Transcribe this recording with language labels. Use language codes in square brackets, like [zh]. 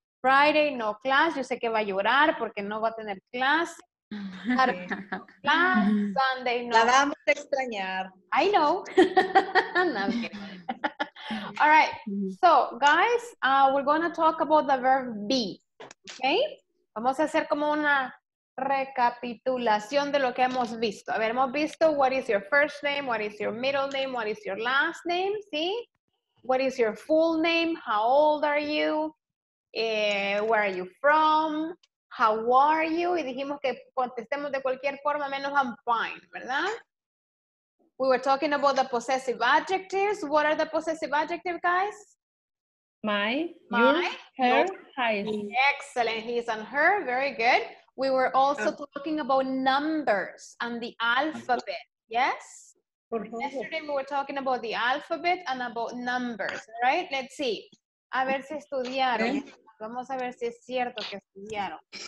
[en] Friday, no class. [es] Yo sé que va a llorar porque no va a tener clase. [en] Class, Sunday, no. [es] La vamos a extrañar. [en] I know. No, I'm kidding. All right. So, guys, we're going to talk about the verb be. Okay? [es] Vamos a hacer como una recapitulación de lo que hemos visto. A ver, hemos visto [en] what is your first name, what is your middle name, what is your last name, [es] ¿sí? [en] What is your full name, how old are you, where are you from, how are you, [es] y dijimos que contestemos de cualquier forma menos [en] I'm fine, ¿verdad? We were talking about the possessive adjectives. What are the possessive adjectives, guys? My, her, his. Excellent. His and her. Very good. We were also talking about numbers and the alphabet. Yes? [es] Por favor. [en] Yesterday we were talking about the alphabet and about numbers, right? Let's see. [es] A ver si estudiaron. ¿Eh? Vamos a ver si es cierto que estudiaron.